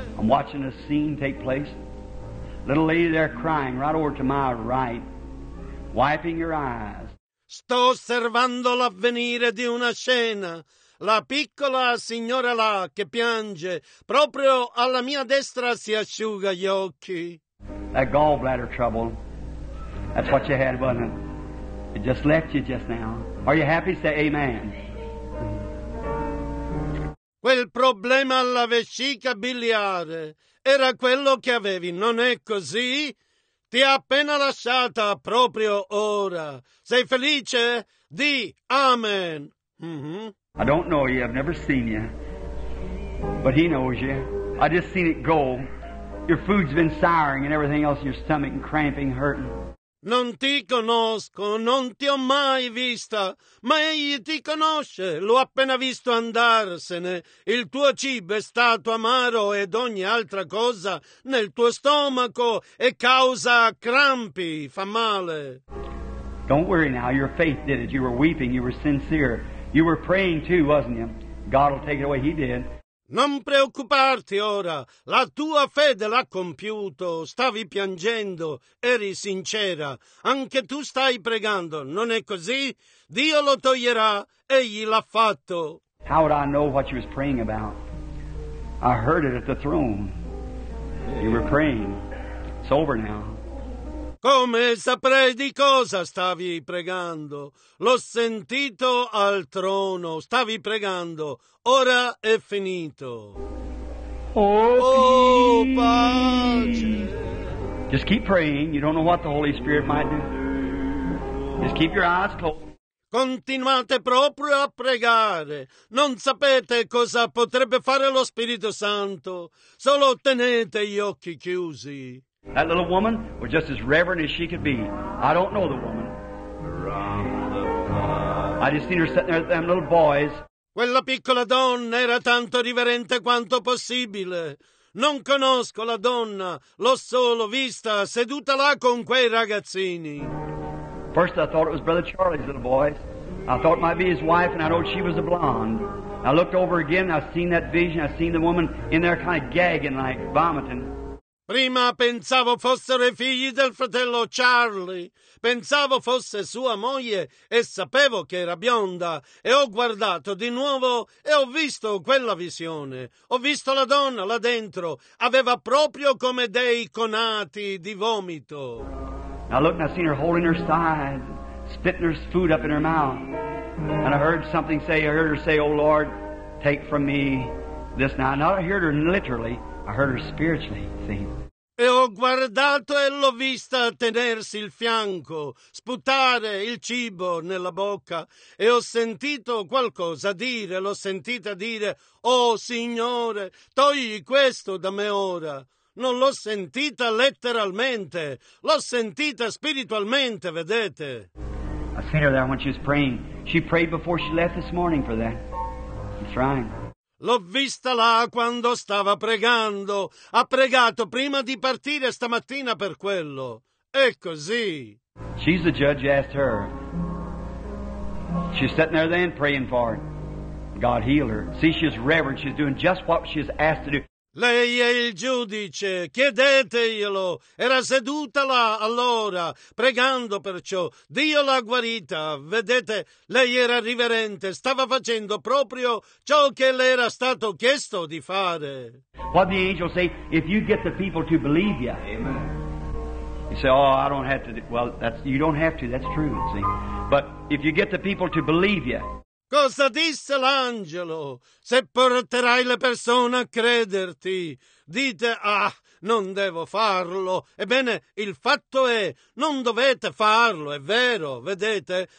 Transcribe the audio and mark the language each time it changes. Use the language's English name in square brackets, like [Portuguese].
[English] I'm watching a scene take place. Little lady there crying right over to my right, wiping your eyes. [Italian] Sto osservando l'avvenire di una scena. La piccola signora là che piange, proprio alla mia destra si asciuga gli occhi. [English] That gallbladder trouble. That's what you had, wasn't it? It just left you just now. Are you happy? Say amen. [Italian] Quel problema alla vescica biliare era quello che avevi, non è così? Ti ha appena lasciata proprio ora. Sei felice? Di amen. [English] I don't know you. I've never seen you. But he knows you. I just seen it go. Your food's been souring and everything else in your stomach and cramping, hurting. [Italian] Non ti conosco, non ti ho mai vista, ma egli ti conosce, l'ho appena visto andarsene. Il tuo cibo è stato amaro ed ogni altra cosa nel tuo stomaco e causa crampi, fa male. [English] Don't worry now, your faith did it. You were weeping, you were sincere. You were praying too, wasn't you? God will take it away, he did. [Italian] Non preoccuparti ora, la tua fede l'ha compiuto, stavi piangendo, eri sincera, anche tu stai pregando, non è così? Dio lo toglierà, egli l'ha fatto. [English] How would I know what you was praying about? I heard it at the throne. You were praying. It's over now. [Italian] Come saprei di cosa stavi pregando? L'ho sentito al trono. Stavi pregando. Ora è finito. Oh, pace. [English] Just keep praying. You don't know what the Holy Spirit might do. Just keep your eyes closed. [Italian] Continuate proprio a pregare. Non sapete cosa potrebbe fare lo Spirito Santo. Solo tenete gli occhi chiusi. [English] That little woman was just as reverent as she could be. I don't know the woman. I just seen her sitting there with them little boys. [Italian] Quella piccola donna era tanto riverente quanto possibile. Non conosco la donna. L'ho solo vista seduta là con quei ragazzini. [English] First I thought it was Brother Charlie's little boys. I thought it might be his wife, and I know she was a blonde. I looked over again. I seen that vision. I seen the woman in there kind of gagging like vomiting. [Italian] Prima pensavo fossero i figli del fratello Charlie, pensavo fosse sua moglie e sapevo che era bionda e ho guardato di nuovo e ho visto quella visione. Ho visto la donna là dentro, aveva proprio come dei conati di vomito. [English] I looked and I seen her holding her side, spitting her food up in her mouth, and I heard something say, I heard her say, oh Lord, take from me this now. Not I heard her literally, I heard her spiritually. [Italian] E ho guardato e l'ho vista tenersi il fianco, sputare il cibo nella bocca e ho sentito qualcosa dire, l'ho sentita dire, oh Signore, togli questo da me ora. Non l'ho sentita letteralmente, l'ho sentita spiritualmente, vedete. [English] I seen her there when she was praying. She prayed before she left this morning for that. That's right. [Italian] L'ho vista là quando stava pregando. Ha pregato prima di partire stamattina per quello. È così. [English] She's the judge, asked her. She's sitting there then praying for it. God healed her. See, she's reverent. She's doing just what she's asked to do. [Italian] Lei è il giudice, chiedeteglielo. Era seduta là allora, pregando perciò. Dio l'ha guarita, vedete, lei era riverente, stava facendo proprio ciò che le era stato chiesto di fare. [English] What the angel say, if you get the people to believe you. Amen. You say, oh, I don't have to do, well, that's, you don't have to, that's true, see. But if you get the people to believe you. [Italian] Cosa disse l'angelo? Se porterai le persone a crederti, dite, ah, non devo farlo. Ebbene, il fatto è, non dovete farlo, è vero, vedete?